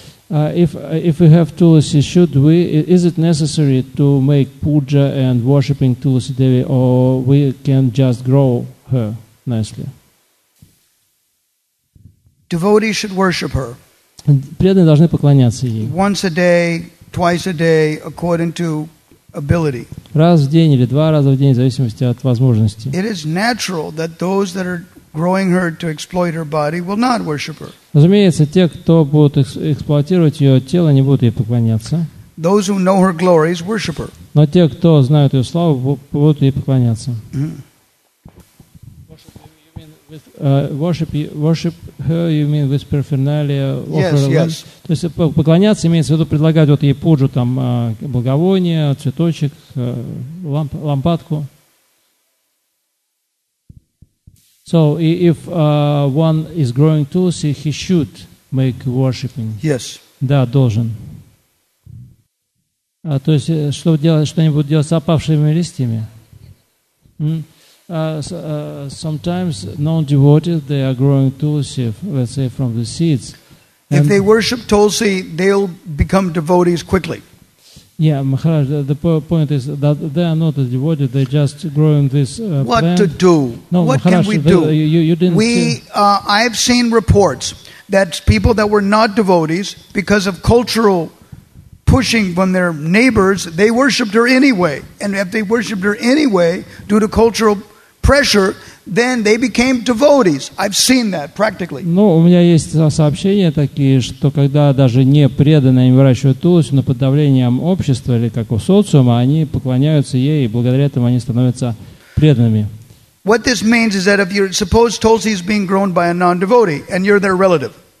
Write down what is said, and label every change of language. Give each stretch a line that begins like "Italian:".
English: If we have tulsi, should we? Is it necessary to make puja and worshiping Tulsi Devi, or we can just grow her nicely? Devotees should worship her.
Russian: Преданные должны поклоняться ей.
English: Once a day, twice a day, according to ability.
Russian: Раз в день или два раза в день, в зависимости от возможности.
English: It is natural that those that are growing her to exploit her body will not worship her.
Russian: Разумеется, те, кто будут эксплуатировать ее тело, не будут ей поклоняться.
English: Those who know her glories worship her.
Russian: Но те, кто знают ее славу, будут ей поклоняться.
English: Worship her, you mean with paraphernalia? Yes.
Russian: То есть поклоняться имеется в виду предлагать вот ей пуджу, там благовония, цветочек, лампадку.
English: So if one is growing tulsi, he should make worshiping. Yes.
Russian: Да, должен. То есть, чтобы делать, что-нибудь делать с опавшими листьями?
English: Sometimes non-devotees, they are growing tulsi, let's say, from the seeds. If they worship tulsi, they'll become devotees quickly. Yeah, Maharaj, the point is that they are not a devotee, they're just growing this what plant. To do? No, what Maharaj, can we do? I've seen reports that people that were not devotees, because of cultural pushing from their neighbors, they worshipped her anyway. And if they worshipped her anyway, due to cultural pressure, then they became devotees. I've seen that practically.
Russian: Ну, у меня есть сообщения такие, что когда даже не преданные выращивают тулуси, но под давлением общества или как у социума, они поклоняются ей, и благодаря этому они становятся преданными.
English: What this means is that if you're supposed tulsi is being grown by a non-devotee and you're their relative.